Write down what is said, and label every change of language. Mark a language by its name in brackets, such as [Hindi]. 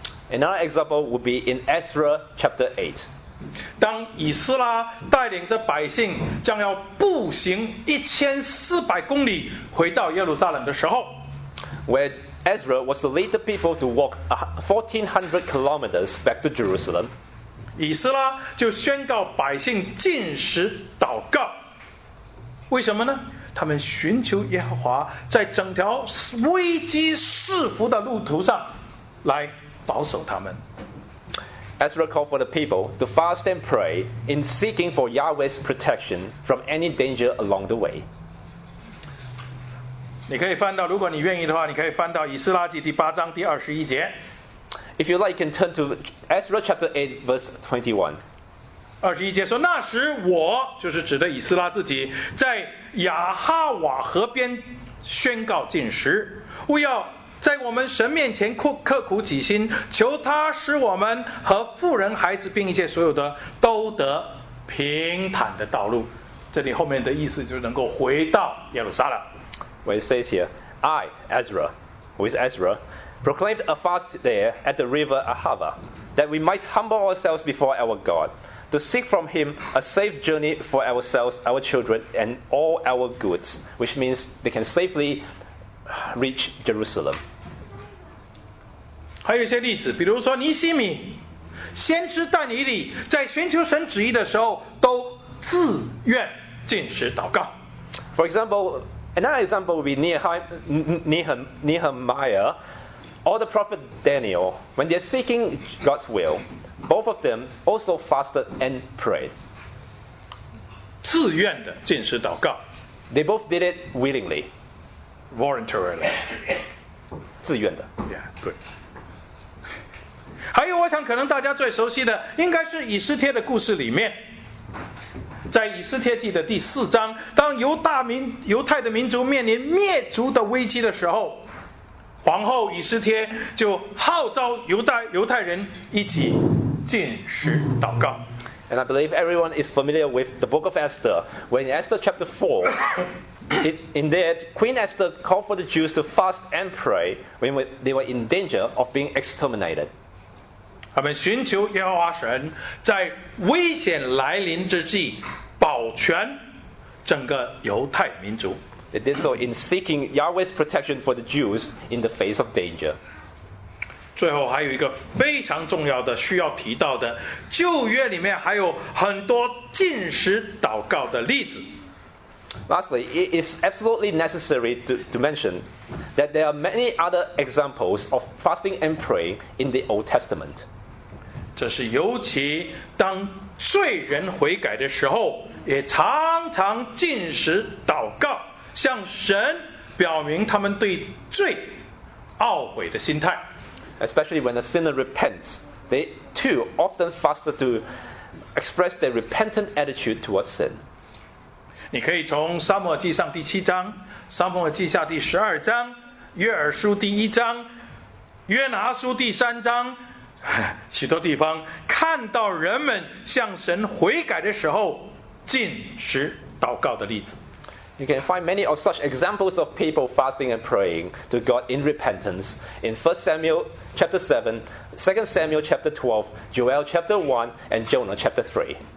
[English] Another example would be in Ezra chapter 8. [Chinese] 当以斯拉带领着百姓将要步行1400公里回到耶路撒冷的时候， [English] where Ezra was to lead the people to walk 1400 kilometers back to Jerusalem. [Chinese] 以斯拉就宣告百姓禁食祷告。为什么呢？他们寻求耶和华在整条危机四伏的路途上来保守他们。 [English] Ezra called for the people to fast and pray in seeking for Yahweh's protection from any danger along the way. [Chinese] 你可以翻到，如果你愿意的话，你可以翻到以斯拉记第八章第二十一节。 [English] If you like, you can turn to Ezra chapter 8, verse 21. [Chinese] 二十一节说，那时我，就是指的以斯拉自己，在亚哈瓦河边宣告禁食，务要在我们神面前刻苦己心，求他使我们和妇人孩子并一切所有的都得平坦的道路。这里后面的意思就是能够回到耶路撒冷。 [English] When it says here, I, Ezra, who is Ezra, proclaimed a fast there at the river Ahava, that we might humble ourselves before our GodTo seek from him a safe journey for ourselves, our children, and all our goods, which means they can safely reach Jerusalem. [Chinese] 还有一些例子，比如说尼希米，先知但以理在寻求神旨意的时候，都自愿禁食祷告。 [English] For example, another example would be Nehemiah, or the prophet Daniel, when they're seeking God's will. Both of them also fasted and prayed. [Chinese] 自愿的禁食祷告。 [English] They both did it willingly. Voluntarily. [Chinese] 自愿的。 [English] Yeah, good. [Chinese] 还有我想可能大家最熟悉的应该是以斯帖的故事里面。在以斯帖记的第四章，当犹太的民族面临灭族的危机的时候，皇后以斯帖就号召犹太人一起进食祷告。 [English] And I believe everyone is familiar with the book of Esther. When Esther chapter 4, in there, Queen Esther called for the Jews to fast and pray when they were in danger of being exterminated. [Chinese] 他们寻求耶和华神在危险来临之际保全整个犹太民族。 [English] They did so in seeking Yahweh's protection for the Jews in the face of danger. [Chinese] 最后还有一个非常重要的需要提到的，旧约里面还有很多禁食祷告的例子。 [English] Lastly, it is absolutely necessary to mention that there are many other examples of fasting and praying in the Old Testament. [Chinese] 这是尤其当罪人悔改的时候，也常常禁食祷告，向神表明他们对罪懊悔的心态。 [English] Especially when a sinner repents, they too often fast to express their repentant attitude towards sin. [Chinese] 你可以从撒母耳记上第七章、撒母耳记下第十二章、约珥书第一章、约拿书第三章许多地方看到人们向神悔改的时候禁食祷告的例子。 [English] You can find many of such examples of people fasting and praying to God in repentance in 1 Samuel chapter 7, 2 Samuel chapter 12, Joel chapter 1, and Jonah chapter 3.